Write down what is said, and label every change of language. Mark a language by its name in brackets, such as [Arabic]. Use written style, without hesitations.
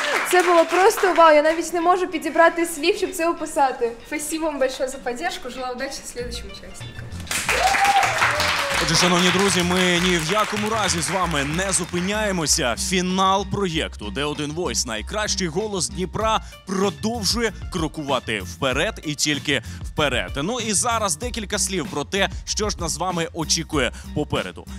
[Ukrainian] Це було просто вау, я навіть не можу підібрати слів, щоб це описати. [Russian] Спасибо вам большое за поддержку, желаю удачі следующим учасникам. [Ukrainian] Отже, шановні друзі, ми ні в якому разі з вами не зупиняємося. Фінал проєкту, де один войс, найкращий голос Дніпра, продовжує крокувати вперед і тільки вперед. Ну і зараз декілька слів про те, що ж нас з вами очікує попереду.